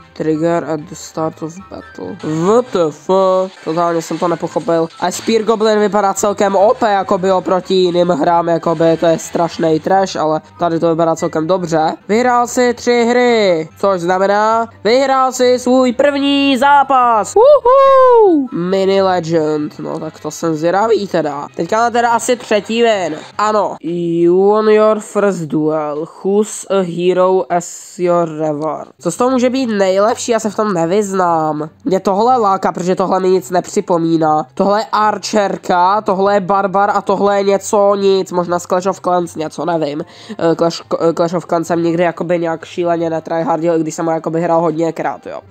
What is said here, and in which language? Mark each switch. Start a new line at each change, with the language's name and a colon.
English: Trigger at the start of battle. WTF?
Czech: Totálně jsem to nepochopil. A Spear Goblin vypadá celkem OP, jakoby oproti jiným hrám, jakoby to je strašný trash, ale tady to vypadá celkem dobře. Vyhrál si tři hry, což znamená, vyhrál si svůj první zápas. Woohoo! Mini Legend, no tak to jsem zvědavý teda. Teďka na teda asi třetí win. Ano.
English: You won your first duel. Who's a hero as your reward?
Czech: Co z toho může být nejlepší, já se v tom nevyznám. Mě tohle láká, protože tohle mi nic nepřipomíná. Tohle je Archerka, tohle je Barbar a tohle je něco nic, možná z Clash of Clans něco, nevím. Clash of Clans jsem nikdy jakoby nějak šíleně netryhardil, když jsem ho jakoby hrál hodněkrát, jo.